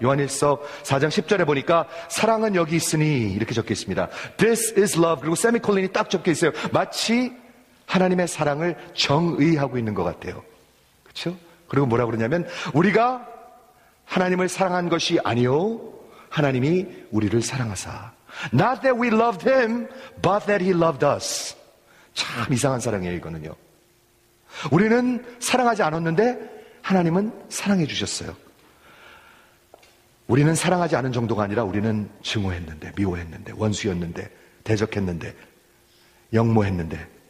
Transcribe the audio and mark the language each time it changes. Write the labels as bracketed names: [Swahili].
[Korean] 요한일서 4장 10절에 보니까 사랑은 여기 있으니 이렇게 적혀 있습니다. [English] This is love. [Korean] 그리고 세미콜린이 딱 적혀 있어요. 마치 하나님의 사랑을 정의하고 있는 것 같아요. 그렇죠? 그리고 뭐라고 그러냐면, 우리가 하나님을 사랑한 것이 아니오, 하나님이 우리를 사랑하사. [English] Not that we loved him, but that he loved us. [Korean] 참 이상한 사랑이에요, 이거는요. 우리는 사랑하지 않았는데 하나님은 사랑해 주셨어요. 우리는 사랑하지 않은 정도가 아니라 우리는 증오했는데, 미워했는데, 원수였는데, 대적했는데, 역모했는데.